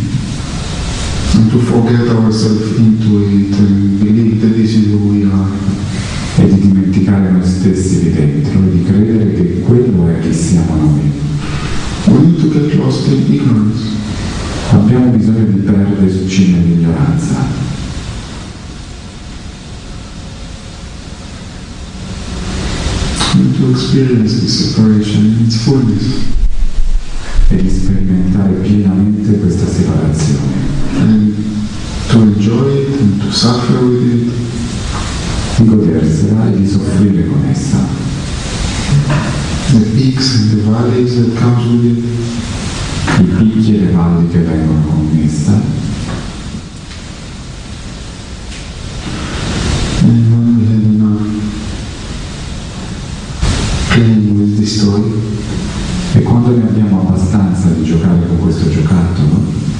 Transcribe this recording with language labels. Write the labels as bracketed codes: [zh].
[en] yourself into it and believe that this is who we are. [it] E di dimenticare noi stessi lì dentro e di credere che quello è chi siamo noi. [en] We need to get lost in ignorance. [it] Abbiamo bisogno di perderci nell'ignoranza. [en] To experience this separation in its fullness. [it] E di sperimentare pienamente questa separazione. [en] And to enjoy it and to suffer with it. [it] Di godersela e di soffrire con essa. [en] The peaks and the valleys that comes with it. [it] I picchi e le valli che vengono con essa. [en] And when we have enough playing with this toy. [it] E quando ne abbiamo abbastanza di giocare con questo giocattolo,